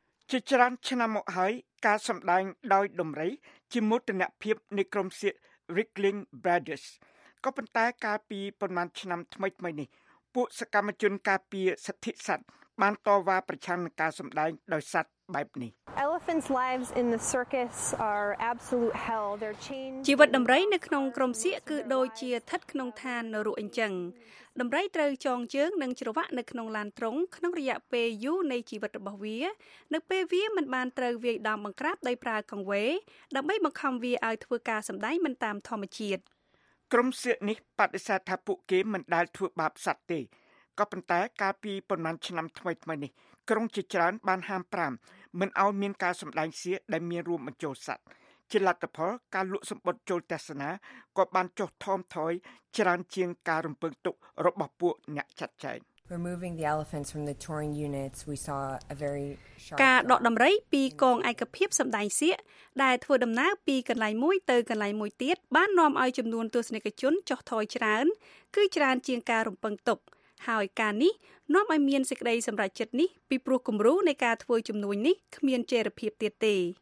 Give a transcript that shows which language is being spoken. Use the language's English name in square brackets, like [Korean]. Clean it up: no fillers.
[Khmer] ជាច្រើនឆ្នាំមកហើយការសម្ដែងដោយដំរីជាមោទនភាពនៃក្រុមសៀក Ringling Brothers ក៏ប៉ុន្តែកាលពីប៉ុន្មានឆ្នាំថ្មីៗនេះពួកសកម្មជនការពារសិទ្ធិសត្វបានតវ៉ាប្រឆាំងនឹងការសម្ដែងដោយសត្វបែបនេះ [English] Elephants lives in the circus are absolute hell. They're chained. [Khmer] ជីវិតដំរីនៅក្នុងក្រុមសៀកគឺដូចជាស្ថិតក្នុងឋាននរកអញ្ចឹងដំរីត្រូវចងជើងនិងច្រវាក់នៅក្នុងឡានទ្រុងក្នុងរយៈពេលយូរនៃជីវិតរបស់វានៅពេលវាមិនបានត្រូវវាយដំបង្ក្រាបដោយប្រើកង្វេដើម្បីបង្ខំវាឲ្យធ្វើការសម្ដែងមិនតាមធម្មជាតិ ក្រុមសៀកនេះបដិសេធថាពួកគេមិនដែលធ្វើបាបសត្វទេក៏ប៉ុន្តែកាលពីប៉ុន្មានឆ្នាំថ្មីៗនេះក្រុងជាច្រើនបានហាមប្រាមមិនឲ្យមានការសម្ដែងសៀកដែលមានរួមបញ្ចូលសត្វជាលទ្ធផលការលក់សម្បត្តិចូលទស្សនាក៏បានចុះថមថយច្រើនជាងការរំពឹងទុករបស់ពួកអ្នកចាត់ចែង [English] Removing the elephants from the touring units, we saw a very sharp. [Khmer] ការដកដំរីពីកងឯកភាពសម្ដែងសៀកដែលធ្វើដំណើរពីកន្លែងមួយទៅកន្លែងមួយទៀតបាននាំឲ្យចំនួនទស្សនិកជនចុះថយច្រើនគឺច្រើនជាងការរំពឹងទុក ហើយការនេះនាំឲ្យមានសេចក្តីសម្រេចចិត្តនេះពីព្រោះគំរូនៃការធ្វើជំនួញនេះគ្មានចេរភាពទៀតទេ